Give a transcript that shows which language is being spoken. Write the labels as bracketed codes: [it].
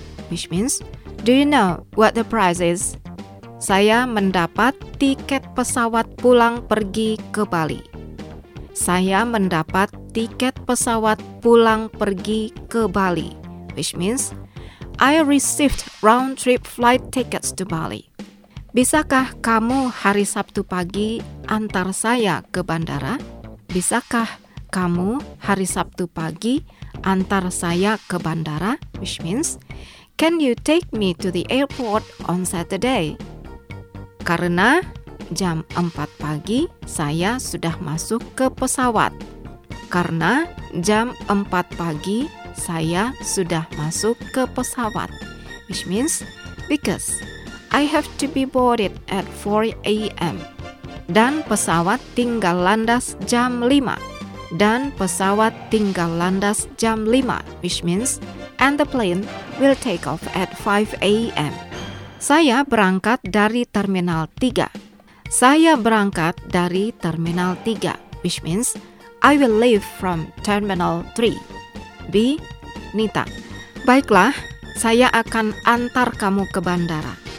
[en] Which means do you know what the prize is? [id] Saya mendapat tiket pesawat pulang pergi ke Bali. saya mendapat tiket pesawat pulang pergi ke Bali, [en] which means I received round trip flight tickets to Bali. [id] Bisakah kamu hari Sabtu pagi antar saya ke bandara? Bisakah kamu hari Sabtu pagi antar saya ke bandara? [en] Which means, can you take me to the airport on Saturday? [id] Karena jam 4 pagi saya sudah masuk ke pesawat. Karena jam 4 pagi saya sudah masuk ke pesawat. [en] Which means, because I have to be boarded at 4 a.m. [id] Dan pesawat tinggal landas jam 5. Dan pesawat tinggal landas jam 5, [en] which means, and the plane will take off at 5 a.m. [id] Saya berangkat dari Terminal 3. Saya berangkat dari Terminal 3, [en] which means, I will leave from Terminal 3. [id] B. Nita. Baiklah, saya akan antar kamu ke bandara.